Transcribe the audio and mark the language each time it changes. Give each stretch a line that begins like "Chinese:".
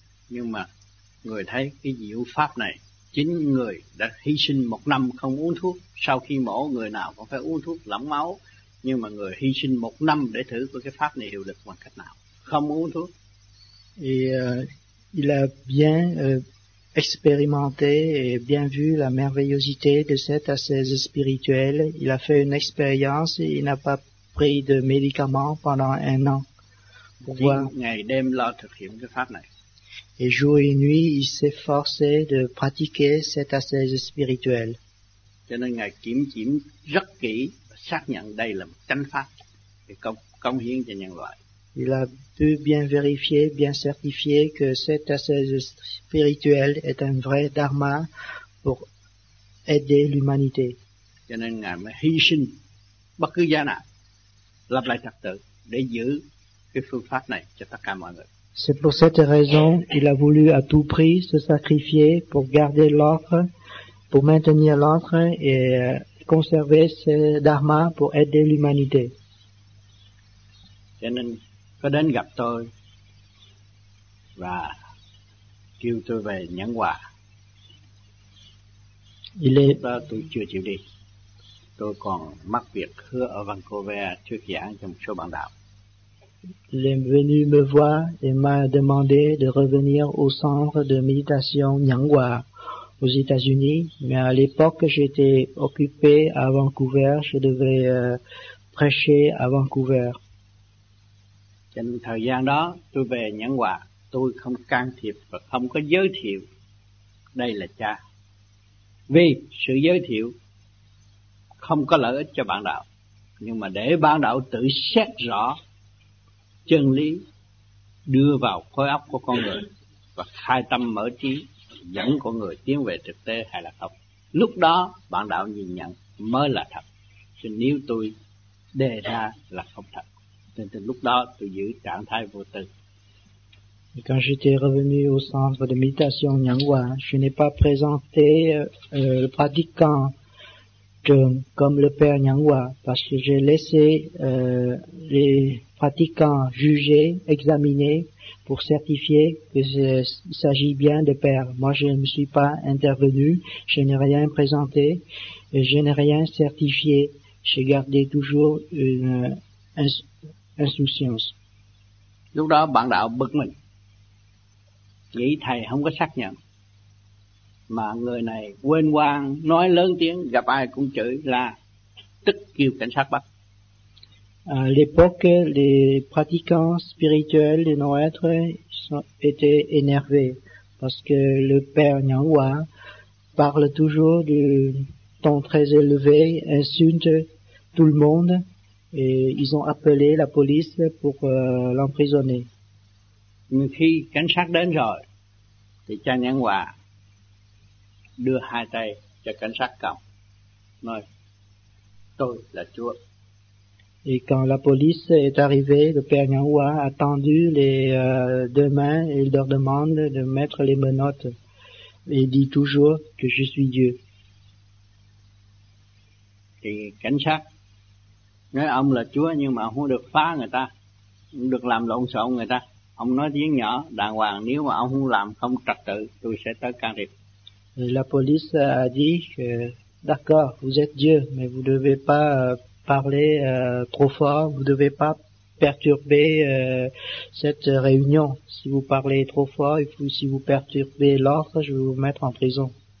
Vietnamese: Nhưng mà người thấy cái diệu pháp này, chính người đã hy sinh một năm không uống thuốc. Sau khi mổ, người nào cũng phải uống thuốc lỏng máu. Nhưng mà người hy sinh một năm để thử của cái pháp này hiệu lực bằng cách nào? Không uống thuốc.
French: Il a bien expérimenté et bien vu la merveilleuxité de cette ascèse spirituelle. Il a fait une expérience et il n'a pas pris de médicaments pendant un an.
Vietnamese: Ngày đêm lo thực hiện cái pháp này.
French: Et jour et nuit, il s'efforçait de pratiquer cette ascèse spirituelle.
Vietnamese: Cho nên ngài kiểm chứng rất kỹ, xác nhận đây là một chánh pháp để cống hiến cho nhân loại.
French: Il a pu bien vérifier, bien certifier que cette ascèse spirituelle est un vrai dharma pour aider l'humanité.
Vietnamese: Cho nên ngài mới hy sinh bất cứ giá nào, lập lại trật tự để giữ cái phương pháp này cho tất cả mọi người.
French: C'est pour cette raison qu'il a voulu à tout prix se sacrifier pour garder l'ordre, pour maintenir l'ordre et conserver ce dharma pour aider l'humanité.
Vietnamese: Cho nên, có đến gặp tôi và kêu tôi về Nhẫn Hòa. Tôi chưa chịu đi. Tôi còn mắc việc hứa ở Vancouver trước giảng cho một số bạn đạo.
French: Il est venu me voir et m'a demandé de revenir au centre de méditation Nyanghua aux États-Unis. Mais à l'époque, j'étais occupé à Vancouver. Je devais prêcher à Vancouver.
Vietnamese: Trong thời gian đó, tôi về Nyanghua, tôi không can thiệp và không có giới thiệu đây là cha. Vì sự giới thiệu không có lợi ích cho bạn đạo, nhưng mà để bạn đạo tự xét rõ chân lý đưa vào khối óc của con người và khai tâm mở trí dẫn con người tiến về thực tế hay là không, lúc đó bạn đạo nhìn nhận mới là thật. Chứ nếu tôi đề ra là không thật, nên từ lúc đó tôi giữ trạng thái vô tư.
French: Et quand j'étais revenu au centre de méditation Nyanghua, je n'ai pas présenté le pratiquant comme le père Nyanghua, parce que j'ai laissé les pratiquants juger, examiner, pour certifier que il s'agit bien de père. Moi, je ne suis pas intervenu, je n'ai rien présenté, et je n'ai rien certifié. J'ai gardé toujours une insouciance.
Vietnamese: Lúc đó, bạn đạo bực mình, nghĩ thầy không có xác nhận. Mà người này quên quang, nói lớn tiếng, gặp ai cũng chửi là tức kêu cảnh sát bắt.
French: À l'époque, les pratiquants spirituels de nos êtres étaient énervés parce que le père Nyanghua parle toujours du ton très élevé, insulte tout le monde et ils ont appelé la police pour l'emprisonner. Mais
Vietnamese: khi cảnh sát đến rồi, thì cha Nyanghua đưa hai tay cho cảnh sát cầm, nói tôi là Chúa.
French: Et quand la police est arrivée, le père Nyanghua a tendu les deux mains et il leur demande de mettre les menottes. Il dit toujours que je suis Dieu.
Vietnamese: Thì cảnh sát nói ông là Chúa nhưng mà không được phá người ta, không được làm lộn xộn người ta. Ông nói tiếng nhỏ, đàng hoàng, nếu mà ông không làm không trật tự, tôi sẽ tới can thiệp.
French: La police a dit que d'accord, vous êtes Dieu, mais vous ne devez pas parler trop fort, vous ne devez pas perturber cette réunion. Si vous parlez trop fort et si vous perturbez l'ordre, je vais vous mettre en prison.